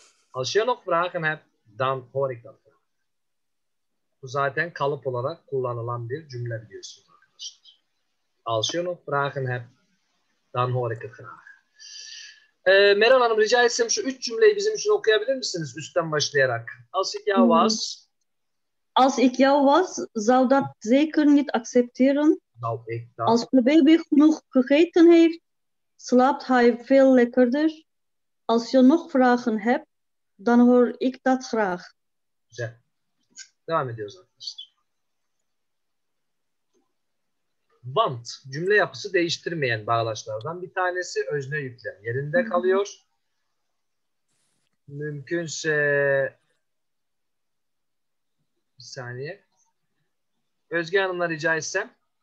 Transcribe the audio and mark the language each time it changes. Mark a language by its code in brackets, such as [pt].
[nl] Als je nog vragen hebt, dan hoor ik dat. [tr] Bu zaten kalıp olarak kullanılan bir cümle biliyorsunuz arkadaşlar. [nl] Als je nog vragen hebt, dan hoor ik het graag. [tr] Meral Hanım rica etsem şu üç cümleyi bizim için okuyabilir misiniz üstten başlayarak? [nl] Als ik jou was. Als ik jou was, zou dat zeker niet accepteren. Zou ik dat. Als mijn baby genoeg gegeten heeft, slaapt hij veel lekkerder. Als je nog vragen hebt, dan hoor ik dat graag. [tr] Güzel. Devam ediyoruz arkadaşlar. Want cümle yapısı değiştirmeyen bağlaçlardan bir tanesi özne yüklem. Yerinde kalıyor. Mümkünse bir saniye. Özge Hanım'la rica etsem.